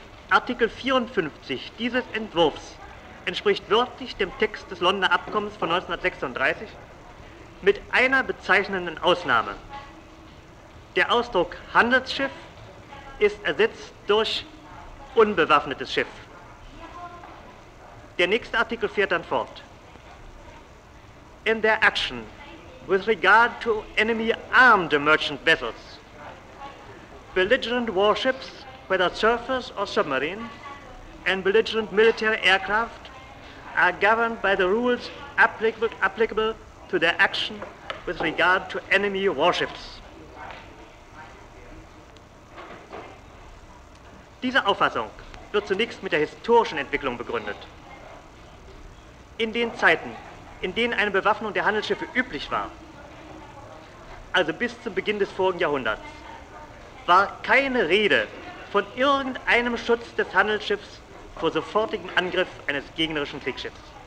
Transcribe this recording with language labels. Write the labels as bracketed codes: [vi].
[de] Artikel 54 dieses Entwurfs entspricht wörtlich dem Text des Londoner Abkommens von 1936 mit einer bezeichnenden Ausnahme. Der Ausdruck Handelsschiff ist ersetzt durch unbewaffnetes Schiff. Der nächste Artikel fährt dann fort. [en] In their action with regard to enemy armed merchant vessels, belligerent warships, whether surface or submarine, and belligerent military aircraft are governed by the rules applicable to their action with regard to enemy warships. [de] Diese Auffassung wird zunächst mit der historischen Entwicklung begründet. In den Zeiten, in denen eine Bewaffnung der Handelsschiffe üblich war, also bis zum Beginn des vorigen Jahrhunderts, war keine Rede von irgendeinem Schutz des Handelsschiffs vor sofortigem Angriff eines gegnerischen Kriegsschiffs.